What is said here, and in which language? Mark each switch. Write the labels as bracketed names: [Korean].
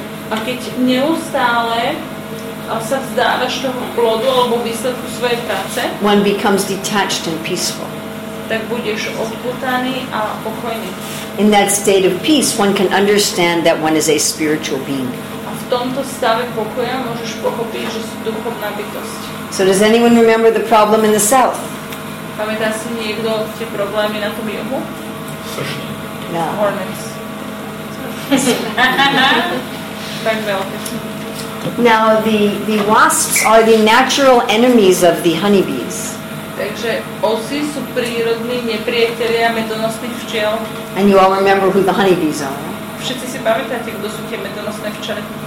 [Slovak] a keď neustále sa vzdávaš toho plodu alebo výsledku svojej práce, [English] one becomes detached and peaceful. [Slovak] Tak budeš odputaný a pokojný. [English] In that state of peace, one can understand that one is a spiritual being. [Slovak] A v tomto stave pokoja môžeš pochopiť, že si duchovná bytosť. [English] So does anyone remember the problem in the south? [Slovak] Pamätá si niekto tie problémy na tom juhu? [English] No. Hornets. Now the wasps are the natural enemies of the honeybees. [Slovak] Takže osy sú prírodní nepriatelia medonosných včiel. [English] And you all remember who the honeybees are. [Slovak] Všetci si pamätáte, kto sú tie medonosné včely?